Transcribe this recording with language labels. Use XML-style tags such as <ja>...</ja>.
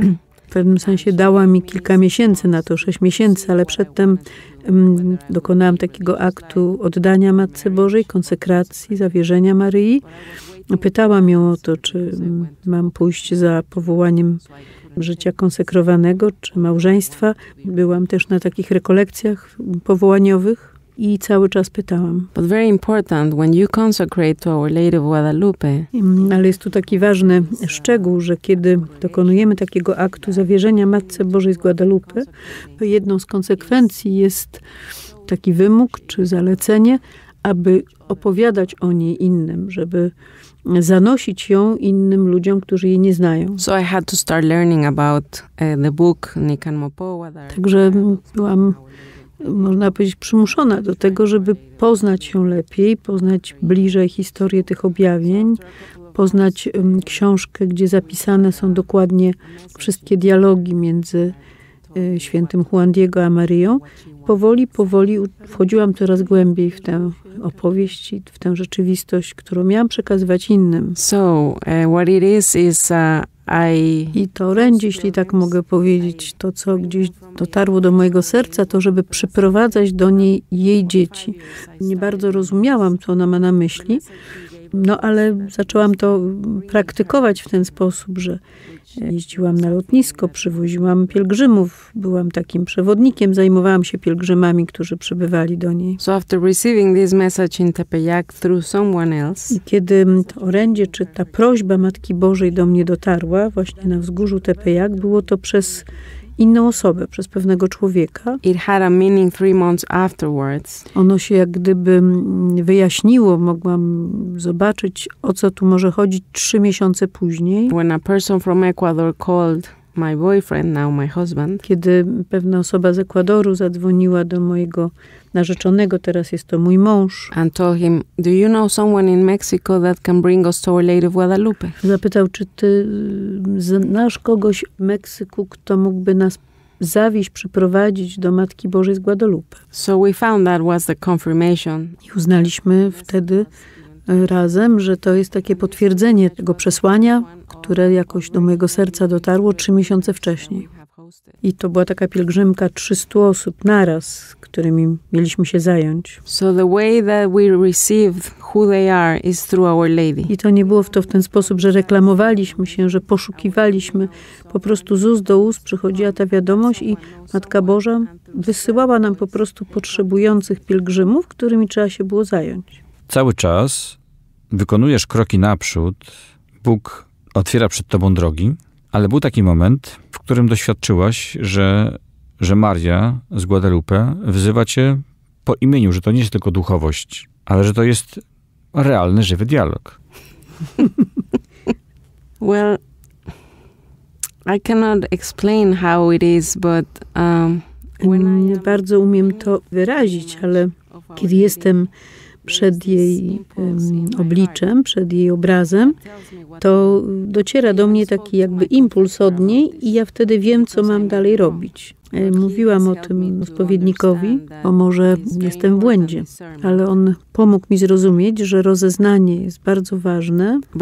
<pl>W pewnym sensie dała mi kilka miesięcy na to, 6 miesięcy, ale przedtem dokonałam takiego aktu oddania Matce Bożej, konsekracji, zawierzenia Maryi. Pytałam ją o to, czy mam pójść za powołaniem życia konsekrowanego, czy małżeństwa. Byłam też na takich rekolekcjach powołaniowych i cały czas pytałam.</pl> <en>But very important when you consecrate to Our Lady of Guadalupe.</en> <pl>Ale jest tu taki ważny szczegół, że kiedy dokonujemy takiego aktu zawierzenia Matce Bożej z Guadalupe, to jedną z konsekwencji jest taki wymóg czy zalecenie, aby opowiadać o niej innym, żeby zanosić ją innym ludziom, którzy jej nie znają.</pl> <en>So I had to start learning about the book Nikan Mopo.</en> <pl>Także byłam, można powiedzieć, przymuszona do tego, żeby poznać ją lepiej, poznać bliżej historię tych objawień, poznać książkę, gdzie zapisane są dokładnie wszystkie dialogi między świętym Juan Diego a Maryją. Powoli, powoli wchodziłam coraz głębiej w tę opowieść, w tę rzeczywistość, którą miałam przekazywać innym.</pl> <en>So, what it is I...</en> <pl>I to orędzie, jeśli tak mogę powiedzieć, to co gdzieś dotarło do mojego serca, to żeby przyprowadzać do niej jej dzieci. Nie bardzo rozumiałam, co ona ma na myśli, no ale zaczęłam to praktykować w ten sposób, że jeździłam na lotnisko, przywoziłam pielgrzymów, byłam takim przewodnikiem, zajmowałam się pielgrzymami, którzy przybywali do niej.</pl> <en>So after receiving this message in Tepeyac through someone else.</en> <pl>I kiedy to orędzie, czy ta prośba Matki Bożej do mnie dotarła, właśnie na wzgórzu Tepeyac, było to przez inną osobę, przez pewnego człowieka.</pl> <en>It had a meaning 3 months afterwards.</en> <pl>Ono się jak gdyby wyjaśniło, mogłam zobaczyć, o co tu może chodzić 3 miesiące później.</pl> <en>When a person from Ecuador called my boyfriend, now my husband.</en> <pl>Kiedy pewna osoba z Ekwadoru zadzwoniła do mojego narzeczonego, teraz jest to mój mąż.</pl> <en>And told him, do you know someone in Mexico that can bring us to Our Lady of Guadalupe?</en> <pl>Zapytał, czy ty znasz kogoś w Meksyku, kto mógłby nas zawieźć, przyprowadzić do Matki Bożej z Guadalupe.</pl> <en>So we found that was the confirmation.</en> <pl>I uznaliśmy wtedy razem, że to jest takie potwierdzenie tego przesłania, które jakoś do mojego serca dotarło 3 miesiące wcześniej. I to była taka pielgrzymka 300 osób naraz, którymi mieliśmy się zająć.</pl> <en>So the way that we received who they are is through Our Lady.</en> <pl>I to nie było w to w ten sposób, że reklamowaliśmy się, że poszukiwaliśmy. Po prostu z ust do ust przychodziła ta wiadomość i Matka Boża wysyłała nam po prostu potrzebujących pielgrzymów, którymi trzeba się było zająć. Cały czas wykonujesz kroki naprzód, Bóg otwiera przed tobą drogi, ale był taki moment, w którym doświadczyłaś, że Maria z Guadalupe wzywa cię po imieniu, że to nie jest tylko duchowość, ale że to jest realny, żywy dialog.</pl> <en>Well, I cannot explain how it is, but</en> <pl>nie bardzo umiem to wyrazić, ale kiedy jestem przed jej obliczem, przed jej obrazem, to dociera do mnie taki jakby impuls od niej i ja wtedy wiem, co mam dalej robić. Mówiłam o tym spowiednikowi, bo może jestem w błędzie, ale on pomógł mi zrozumieć, że rozeznanie jest bardzo ważne,</pl>